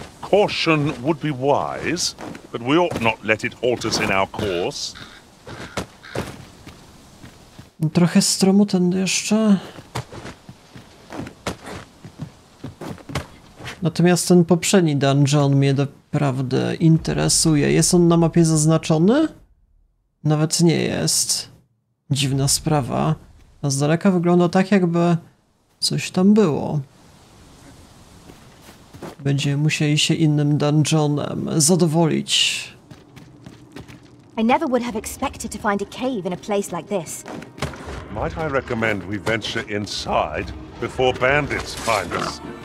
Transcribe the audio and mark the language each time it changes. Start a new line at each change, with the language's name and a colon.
English: Caution would be wise, but we ought not let it halt us in our course.
Polish: Trochę stromu ten jeszcze. Natomiast ten poprzedni dungeon mnie naprawdę interesuje. Jest on na mapie zaznaczony? Nawet nie jest. Dziwna sprawa. A z daleka wygląda tak, jakby coś tam było. Będziemy musieli się innym dungeonem zadowolić.
English: I never would have expected to find a cave in a place like this. Might I recommend we venture inside before bandits find us?